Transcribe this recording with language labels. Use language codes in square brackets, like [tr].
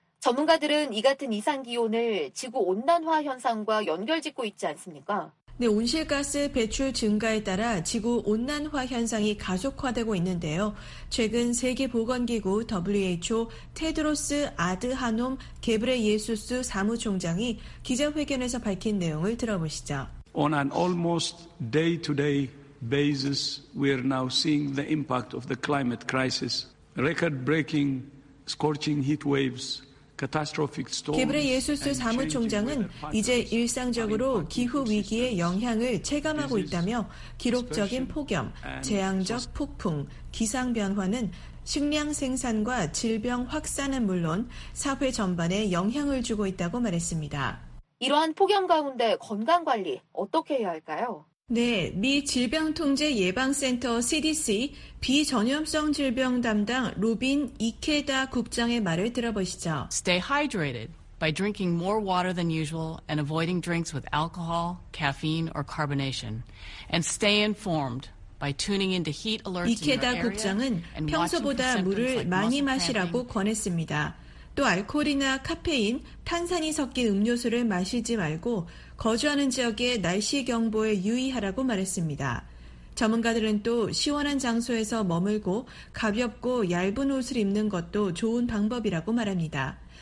[ko] 전문가들은 이 같은 이상기온을 지구 온난화 현상과 연결 짓고 있지 않습니까? 네, 온실가스 배출 증가에 따라 지구 온난화 현상이 가속화되고 있는데요. 최근 세계보건기구 WHO 테드로스 아드하놈 게브레예수스 사무총장이 기자회견에서 밝힌 내용을 들어보시죠. [en] On an almost day-to-day basis, we are now seeing the impact of the climate crisis. Record-breaking scorching heat waves. [ko] 게브레예수스 사무총장은 이제 일상적으로 기후 위기의 영향을 체감하고 있다며 기록적인 폭염, 재앙적 폭풍, 기상 변화는 식량 생산과 질병 확산은 물론 사회 전반에 영향을 주고 있다고 말했습니다. 이러한 폭염 가운데 건강 관리 어떻게 해야 할까요? 네, 미 질병통제예방센터 CDC 비전염성 질병 담당 로빈 이케다 국장의 말을 들어보시죠. [en] Stay hydrated by drinking more water than usual and avoiding drinks with alcohol, caffeine or carbonation. And stay informed by tuning into heat alerts in your area. [ko] 이케다 국장은 평소보다 물을 많이 마시라고 권했습니다. 또 알코올이나 카페인, 탄산이 섞인 음료수를 마시지 말고 거주하는 지역의 날씨 경보에 유의하라고 말했습니다. 전문가들은 또 시원한 장소에서 머물고 가볍고 얇은 옷을 입는 것도 좋은 방법이라고 말합니다.